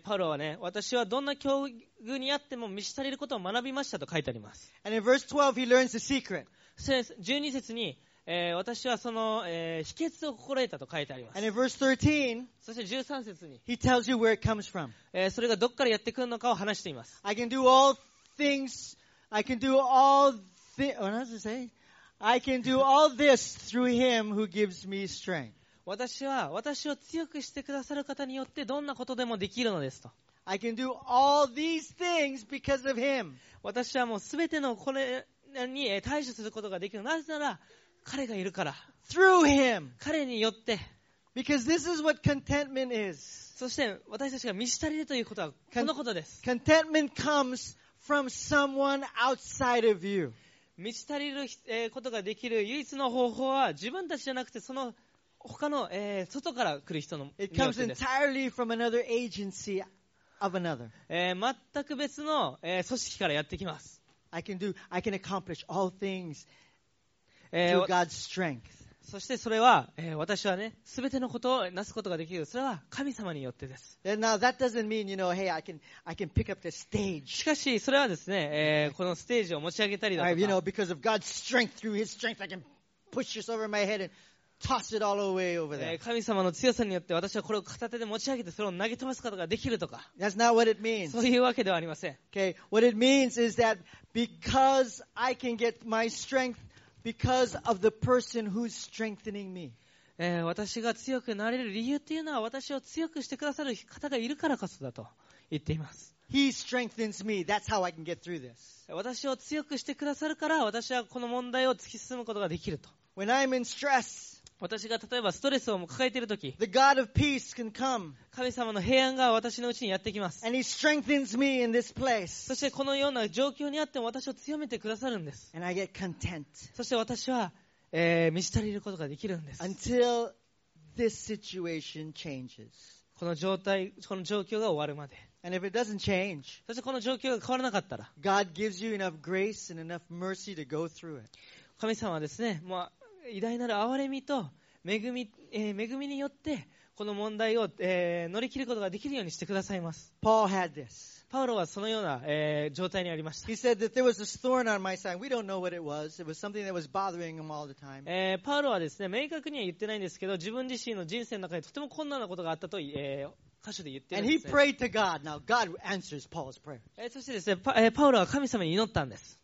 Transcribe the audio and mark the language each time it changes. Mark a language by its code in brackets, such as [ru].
[ja] パウロはね、私はどんな境遇にあっても満ち足りることを学びましたと書いてあります。 [en] And in verse 12, he learns the secret. [ja] 12節に、私はその、秘訣を心得たと書いてあります。 [en] And in verse 13, [ja] そして13節に、 [en] he tells you where it comes from. [ja] それがどこからやってくるのかを話しています。 [en] I can do all things, I can do all things, what does it say? I can do all this through him who gives me strength. [ja] 私は私を強くしてくださる方によってどんなことでもできるのですと。 [en] I can do all these things because of him. [ja] 私はもうすべてのこれに対処することができる。なぜなら彼がいるから。 [en] Through him. [ja] 彼によって。 [en] Because this is what contentment is. [ja] そして私たちが満ち足りるということはこのことです。 [en] Contentment comes from someone outside of you. [ja] 満ち足りることができる唯一の方法は自分たちじゃなくてその他の、外から来る人の [en] It comes entirely from another agency of another. [ja] 全く別の、組織からやってきます。 [en] I can accomplish all things through God's strength. [ja] そしてそれは、私はね、すべてのことをなすことができる。それは神様によってです。 [en] And now that doesn't mean, you know, hey, I can pick up the stage. [ja] しかしそれはですね、このステージを持ち上げたりだとか。 [en] Right, you know, because of God's strength, through His strength, I can push this over my head and Toss it all away over there. [ja] 神様の強さによって私はこれを片手で持ち上げてそれを投げ飛ばすことができるとか。 [en] That's not what it means. [ja] そういうわけではありません。 [en] Okay. What it means is that because I can get my strength because of the person who's strengthening me. [ja] 私が強くなれる理由っていうのは私を強くしてくださる方がいるからこそだと言っています。 [en] He strengthens me. That's how I can get through this. [ja] 私を強くしてくださるから私はこの問題を突き進むことができると。 [en] When I'm in stress, [ja] 私が例えばストレスを抱えているとき、 [en] the God of peace can come. [ja] 神様の平安が私のうちにやってきます。 [en] And he strengthens me in this place. [ja] そしてこのような状況にあっても私を強めてくださるんです。 [en] And I get content. [ja] そして私は、満ち足りることができるんです。 [en] Until this situation changes. [ja] この状況が終わるまで。 [en] And if it doesn't change, [ja] そしてこの状況が変わらなかったら、 [en] God gives you enough grace and enough mercy to go through it. [ja] 神様はですね、もう偉大なる憐れみと恵みによってこの問題を、乗り切ることができるようにしてくださいます。 [en] Paul had this. [ja] パウロはそのような、状態にありました。 [en] He said that there was a thorn on my side. We don't know what it was. It was something that was bothering him all the time. [ja] パウロはですね、明確には言ってないんですけど、自分自身の人生の中でとても困難なことがあったと、箇所で言ってるんですね。 [en] And he prayed to God. Now God answers Paul's prayer. [ja] そしてですね、パウロは神様に祈ったんです。